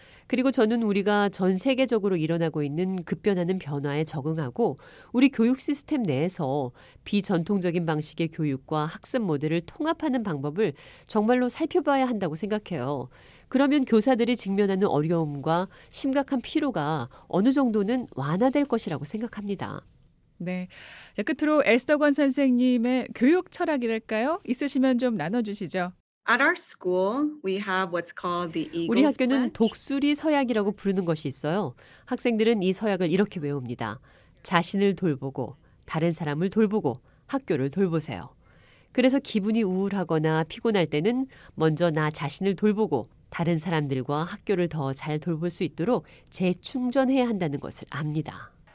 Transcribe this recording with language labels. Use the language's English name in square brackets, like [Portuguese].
[Korean] 그리고 저는 우리가 전 세계적으로 일어나고 있는 급변하는 변화에 적응하고 우리 교육 시스템 내에서 비전통적인 방식의 교육과 학습 모델을 통합하는 방법을 정말로 살펴봐야 한다고 생각해요. 그러면 교사들이 직면하는 어려움과 심각한 피로가 어느 정도는 완화될 것이라고 생각합니다. 네. 자, 끝으로 에스터 권 선생님의 교육 철학이랄까요? 있으시면 좀 나눠주시죠. [English] At our school, we have what's called the Eagle's Pledge. [Korean] 우리 학교는 독수리 서약이라고 부르는 것이 있어요. 학생들은 이 서약을 이렇게 외웁니다. 자신을 돌보고, 다른 사람을 돌보고, 학교를 돌보세요. 그래서 기분이 우울하거나 피곤할 때는 먼저 나 자신을 돌보고 다른 사람들과 학교를 더 잘 돌볼 수 있도록 재충전해야 한다는 것을 압니다.